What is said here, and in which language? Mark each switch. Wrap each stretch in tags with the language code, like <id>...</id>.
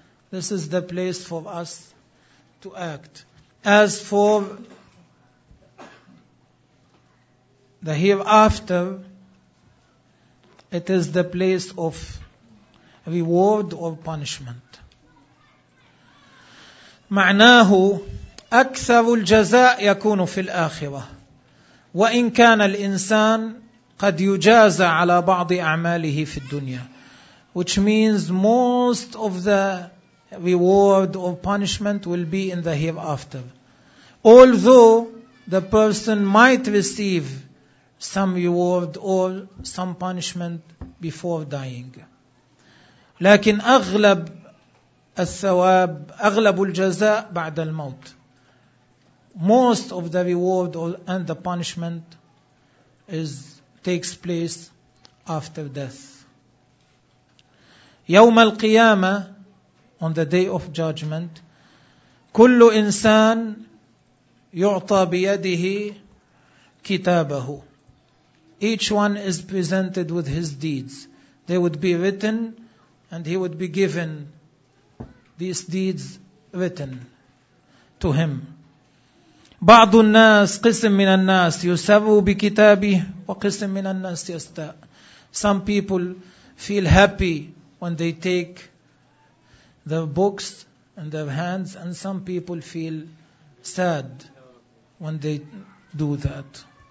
<en>This is the place for us to act. As for the hereafter, it is the place of reward or punishment.</en> <ar>معناه أكثر الجزاء يكون في الآخرة وإن كان الإنسان قد يجازى على بعض أعماله في الدنيا.</ar> <en>Which means most of the reward or punishment will be in the hereafter. Although the person might receive some reward or some punishment before dying.</en> <ar>لكن أغلب الثواب، أغلب الجزاء بعد الموت.</ar> <en>Most of the reward and the punishment takes place after death.</en> <ar>يوم القيامة,</ar> <en>on the day of judgment,</en> <ar>كل إنسان يعطى بيده كتابه.</ar> <en>Each one is presented with his deeds. They would be written and he would be given these deeds written to him.</en> <ar>بعض الناس, قسم من الناس, يسروا بكتابه وقسم من الناس يستاء.</ar> <en>Some people feel happy when they take their books in their hands, and some people feel sad when they do that.</en>